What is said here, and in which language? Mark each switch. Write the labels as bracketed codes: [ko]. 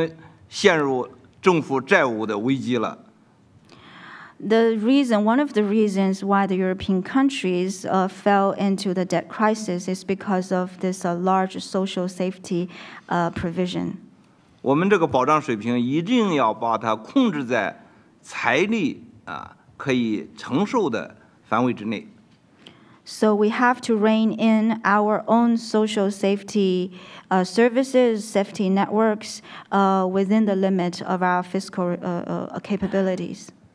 [zh] 欧洲的保险成为财政的一个沉重的包袱，现在已经陷入政府债务的危机了。 [en] One of the reasons why the European countries fell into the debt crisis is because of this large social safety provision. [zh] 我们这个保障水平一定要把它控制在财力可以承受的范围之内。 [en] So we have to rein in our own social safety services, safety networks within the limit of our fiscal capabilities.